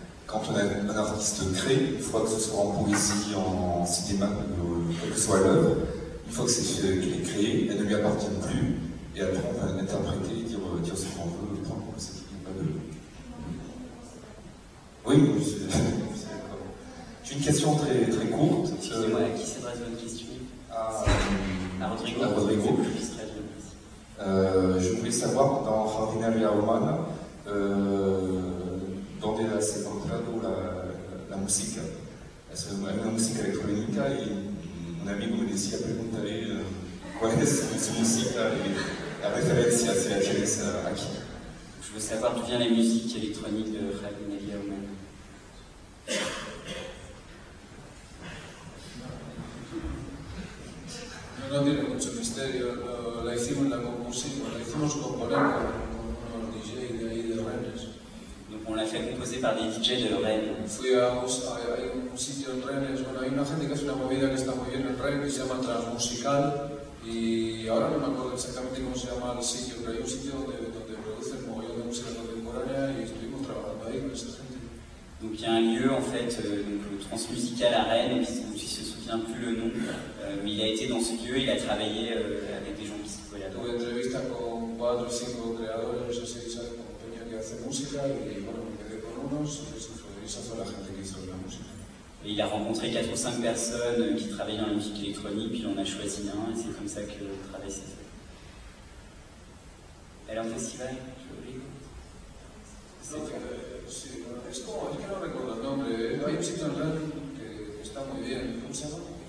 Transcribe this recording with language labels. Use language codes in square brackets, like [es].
[fr] quand on a un artiste créé, une fois que ce soit en poésie, en cinéma, quelle que soit l'œuvre, une fois qu'il est créé, elle ne lui appartient plus, et après on va l'interpréter, dire ce qu'on veut, et prendre ce qu'il n'y a pas de. Oui, c'est d'accord. J'ai une question très, très courte. Excusez-moi, à qui s'adresse votre question? À Rodrigo. À Rodrigo. Je voulais savoir, dans Jardinería Humana, [es] ¿dónde se encuentra la música? Es una música electrónica y un amigo me decía, preguntaré cuál es su música y la referencia se adhiere aquí. [fr] Je veux savoir d'où vient la musique électronique de Jardinería Humana. [es] No tiene mucho misterio, la hicimos la compusimos, la hicimos componer con unos DJs de ahí de Rennes. [fr] Donc on l'a fait composer par des DJs de Rennes. [es] Fui a un sitio en Rennes, bueno, hay una gente que hace una movida que está muy bien en Rennes, que se llama Transmusical, y ahora no me acuerdo exactamente cómo se llama el sitio, pero hay un sitio donde produce un mogollón de música contemporánea y estuvimos trabajando ahí con esa gente. [fr] Donc il y a un lieu en fait, donc le Transmusical à Rennes, si se souvient plus le nom, mais il a été dans ce lieu, il a travaillé avec des gens qui s'y collaient. [es] Tuve entrevista con 4 o 5 creadores, no sé si sabes, con compañía que hace música, y bueno, me quedé con unos, y eso fue la gente que hizo la música. [fr] Et il a rencontré 4 ou 5 personnes qui travaillaient dans la musique électronique, puis on a choisi un, et c'est comme ça que le travail s'est fait. Alors, festival, je vous écoute. [es] Sí, bueno, es como, es que no recuerdo el nombre, hay un sitio en Real que está muy bien, ¿cómo se llama?